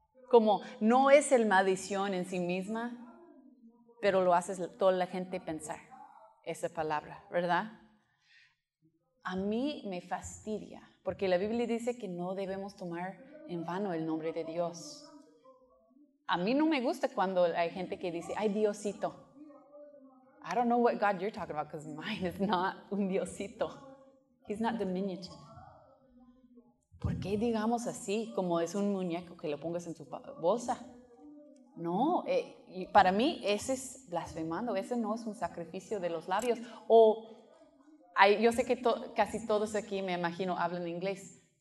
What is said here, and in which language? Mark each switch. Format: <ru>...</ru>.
<es>Como no es el maldición en sí misma, pero lo hace toda la gente pensar esa palabra, ¿verdad? A mí me fastidia, porque la Biblia dice que no debemos tomar en vano el nombre de Dios. A mí no me gusta cuando hay gente que dice, ay, Diosito.</es> <en>I don't know what God you're talking about, because mine is not</en> <es>un Diosito.</es> <en>He's not diminutive.</en> <es>¿Por qué digamos así, como es un muñeco que lo pongas en tu bolsa? No, para mí ese es blasfemando, ese no es un sacrificio de los labios. Yo sé que casi todos aquí, me imagino, hablan inglés.</es>